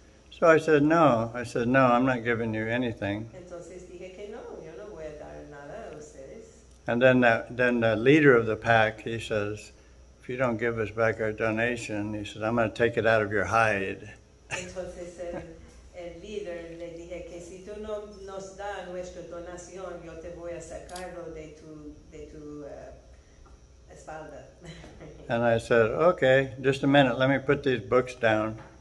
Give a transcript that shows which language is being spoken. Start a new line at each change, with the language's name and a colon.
English: So I said, no, I'm not giving you anything.
Spanish: Entonces dije que no, yo no voy a dar nada a ustedes.
English: And then the leader of the pack, he says, if you don't give us back our donation, he says, I'm going to take it out of your hide.
Spanish: Entonces el líder le dije que si tú no nos da nuestra donación, yo te voy a sacarlo de tu espalda.
English: And I said, okay, just a minute, let me put these books down.